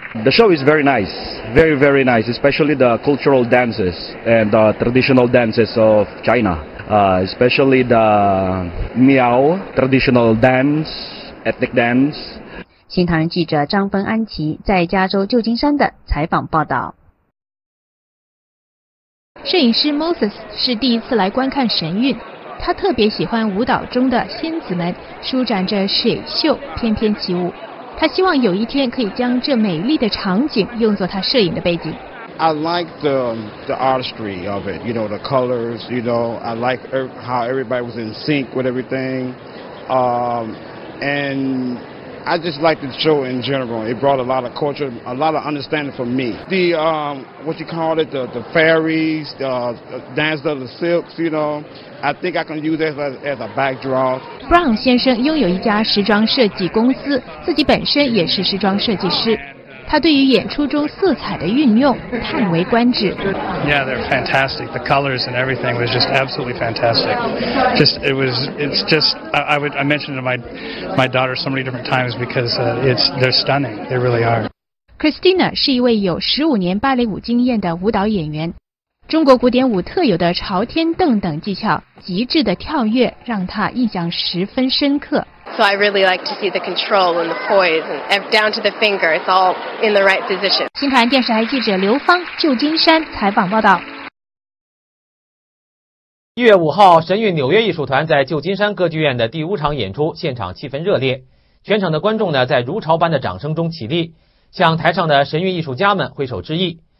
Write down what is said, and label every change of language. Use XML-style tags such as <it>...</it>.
<en>The show is very nice, very very nice, especially the cultural dances and the traditional dances of China, especially the Miao traditional dance, ethnic dance.</en> <zh>新唐人记者张芬安琪在加州旧金山的采访报道。摄影师 Moses 是第一次来观看神韵。他特别喜欢舞蹈中的仙子们舒展着水袖翩翩起舞，他希望有一天可以将这美丽的场景用作他摄影的背景。</zh> <en>I like the artistry of it, you know, the colors, you know, I like how everybody was in sync with everything, and I just like the show in general. It brought a lot of culture, a lot of understanding for me. The, what you call it, the fairies, the dance of the silks, you know, I think I can use that as a backdrop.</en> <zh>Brown 先生拥有一家时装设计公司，自己本身也是时装设计师。他对于演出中色彩的运用叹为观止。</zh> <en>Yeah, they're fantastic. The colors and everything was just absolutely fantastic. Just it was, it's just I mentioned to my daughter so many different times because they're stunning. They really are.</en> <zh>Christina 是一位有15年芭蕾舞经验的舞蹈演员。中国古典舞特有的朝天凳等技巧，极致的跳跃让她印象十分深刻。</zh> <en>So I really like to see the control and the poise and down to the finger. It's all in the right position.</en> <zh>新唐人电视台记者刘芳，旧金山采访报道。 1月5号，神韵纽约艺术团在旧金山歌剧院的第5场演出，现场气氛热烈，全场的观众呢在如潮般的掌声中起立，向台上的神韵艺术家们挥手致意。</zh>